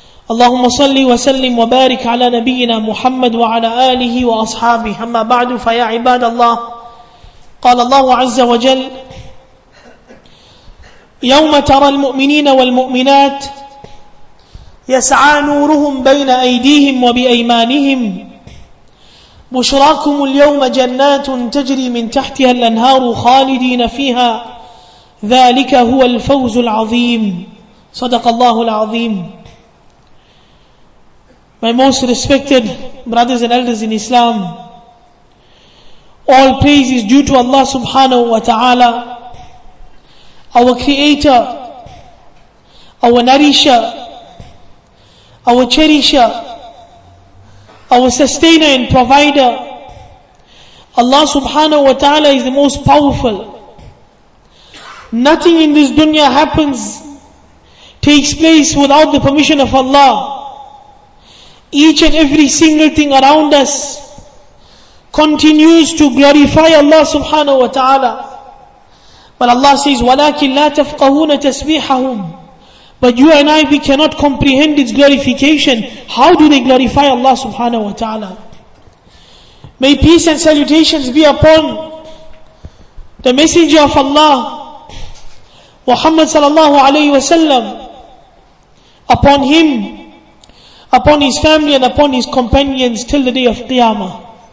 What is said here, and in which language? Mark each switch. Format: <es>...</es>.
<ar>اللهم صل وسلم وبارك على نبينا محمد وعلى آله وأصحابه، أما بعد، فيا عباد الله، قال الله عز وجل: يوم ترى المؤمنين والمؤمنات يسعى نورهم بين أيديهم وبأيمانهم بشراكم اليوم جنات تجري من تحتها الأنهار خالدين فيها ذلك هو الفوز العظيم. صدق الله العظيم.</ar> <en>My most respected brothers and elders in Islam, all praise is due to Allah subhanahu wa ta'ala, our creator, our nourisher, our cherisher, our sustainer and provider. Allah subhanahu wa ta'ala is the most powerful. Nothing in this dunya happens, takes place without the permission of Allah. Each and every single thing around us continues to glorify Allah subhanahu wa ta'ala. But Allah says,</en> <ar>وَلَكِنْ لَا تَفْقَهُونَ تَسْبِيحَهُمْ.</ar> <en>But you and I, we cannot comprehend its glorification. How do they glorify Allah subhanahu wa ta'ala? May peace and salutations be upon the Messenger of Allah, Muhammad sallallahu alayhi wa sallam, upon him, upon his family, and upon his companions till the day of Qiyamah.</en>